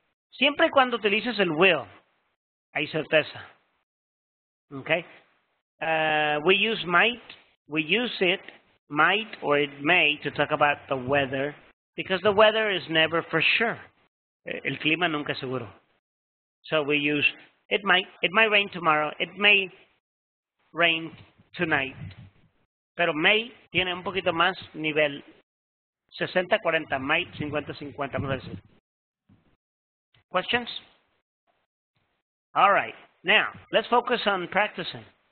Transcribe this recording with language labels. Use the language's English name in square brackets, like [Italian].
[Spanish] Siempre y cuando utilices el will, hay certeza. Okay? [English] We use might, we use it, might or it may, to talk about the weather, because the weather is never for sure. [Spanish] El clima nunca es seguro. [English] So we use it might rain tomorrow, it may rain tonight. [Spanish] Pero may tiene un poquito más nivel, 60-40, might 50-50, vamos a decir. [English] Questions? All right, now, let's focus on practicing.